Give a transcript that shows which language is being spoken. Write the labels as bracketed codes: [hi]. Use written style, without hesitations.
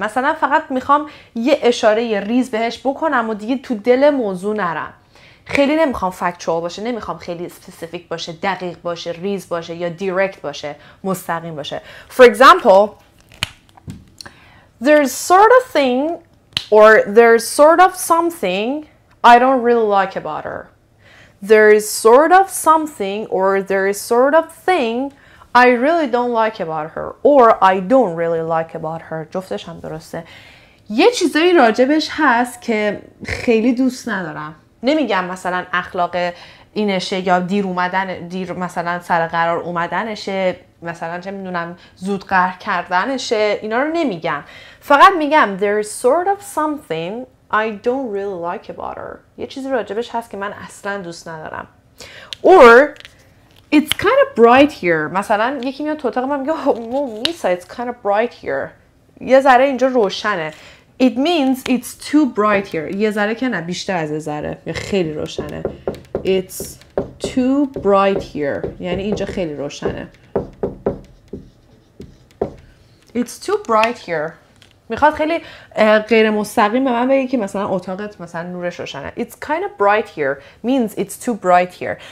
[fa] مثلا فقط میخوام یه اشاره ریز بهش بکنم و دیگه تو دل موضوع نرم. خیلی نمیخوام factual باشه. نمیخوام خیلی specific باشه، دقیق باشه، ریز باشه یا direct باشه، مستقیم باشه. [en] For example, there's sort of thing or there's sort of something I don't really like about her. There is sort of something or there is sort of thing I really don't like about her or I don't really like about her. [fa] جفتش هم درسته. یه چیزایی راجبش هست که خیلی دوست ندارم. نمیگم مثلا اخلاق اینشه یا دیر اومدن دیر مثلا سر قرار اومدنشه، مثلا چه میدونم زود قهر کردنشه، اینا رو نمیگم. فقط میگم [en] there is sort of something I don't really like about her. [fa] یه چیزی راجبش هست که من اصلا دوست ندارم. [en] Or it's kind of bright here. [fa] مثلا یکی میاد تو اتاق من میگه [en] oh, Misa, it's kind of bright here. [fa] یه ذره اینجا روشنه. [en] It means it's too bright here. [fa] یه ذره که نه، بیشتر از ذره، یه خیلی روشنه. [en] It's too bright here. [fa] یعنی اینجا خیلی روشنه. [en] It's too bright here. [fa] میخواد خیلی غیر مستقیم به من بگه که مثلا اتاقت مثلا نورش روشنه. [en] It's kind of bright here means it's too bright here.